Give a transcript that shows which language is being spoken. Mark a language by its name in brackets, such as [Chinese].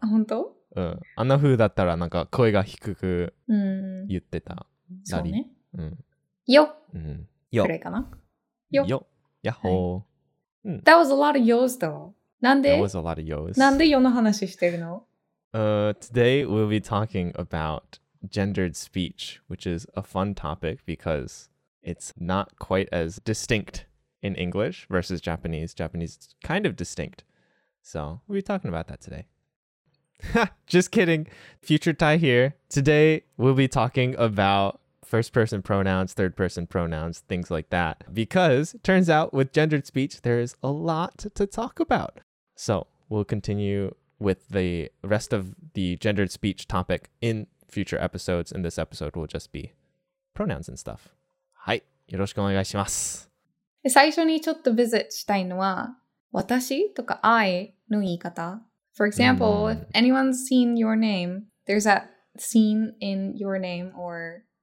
[Japanese] あ、本当？うん。あんな風だったら、なんか声が低く言ってた。そうね。よ。よ。くらいかな。よ。よ。やっほー。 [English] That was a lot of yo's, though. [Japanese] なんで？ [English] That was a lot of yo's. [Japanese] なんでよの話してるの？ [English] Today we'll be talking about gendered speech, which is a fun topic because it's not quite as distinct in English versus Japanese. Japanese is kind of distinct. So we'll be talking about that today. Just kidding. Future Tai here. Today we'll be talking about first person pronouns, third person pronouns, things like that. Because turns out with gendered speech, there is a lot to talk about. So we'll continue with the rest of the gendered speech topic in future episodes. In this episode, will just be pronouns and stuff. [Japanese] はい、よろしくお願いします。最初にちょっとビジットしたいのは、私とか I の言い方。 [English] For example, if anyone's seen your name, there's that scene in your name, or...